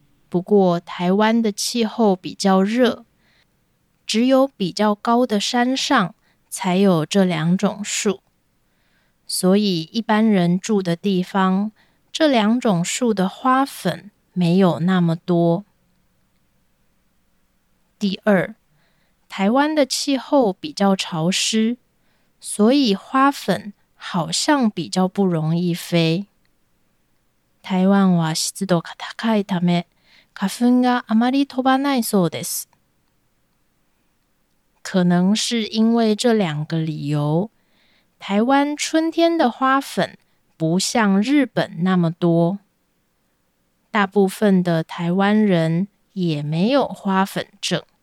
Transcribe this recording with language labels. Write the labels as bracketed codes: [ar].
[zh] 不过台湾的气候比较热，只有比较高的山上才有这两种树，所以一般人住的地方，这两种树的花粉没有那么多。第二，台湾的气候比较潮湿，所以花粉好像比较不容易飞。 [ja] 台湾は湿度が高いため、花粉があまり飛ばないそうです。 [zh] 可能是因为这两个理由，台湾春天的花粉不像日本那么多。大部分的台湾人也没有花粉症。